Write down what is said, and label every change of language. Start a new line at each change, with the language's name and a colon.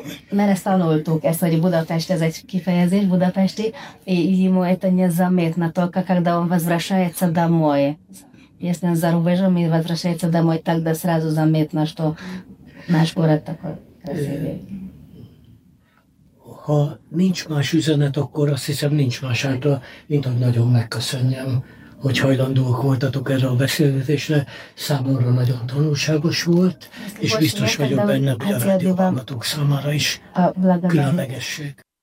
Hungarian: Mert ezt tanultuk, ezt, hogy Budapest, ez egy kifejezés, budapesti.
Russian: Ему это незаметно только, когда он возвращается домой. Если он за рубежом и возвращается домой, тогда сразу заметно, что наш город такой красивый.
Hungarian: Ha nincs más üzenet, akkor azt hiszem, nincs más által, mint hogy nagyon megköszönjem. hogy hajlandóak voltatok erre a beszélgetésre, számomra nagyon tanulságos volt, és biztos vagyok benne, hogy a rádióhallgatók számára is különlegesség.